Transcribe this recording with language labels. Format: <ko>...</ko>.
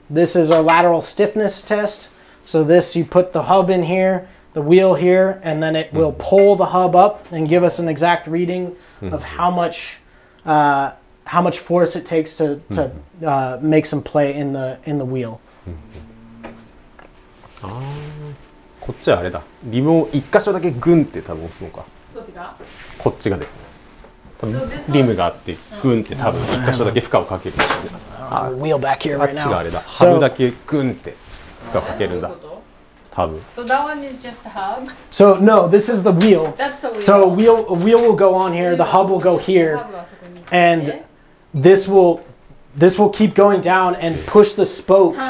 <en>This is our lateral stiffness test. So this, you put the hub in here, the wheel here, and then it will pull the hub up and give us an exact reading of how much force it takes to make some play in the wheel.</en> <ja>Ah, こっちはあれだ。リムを一箇所だけグンって多分押すのか。こっちが。こっちがですね。リムがあってグンって多分一箇所だけ負荷をかける。</ja> <en>Wheel back here right now.</en> <ja>こっちがあれだ。ハブだけグンって負荷をかけるんだ。</ja> <en>So that one is just the hub? So no, this is the wheel. That's the wheel. So a wheel will go on here, the hub will go here. And this will keep going down and push the spokes.</en>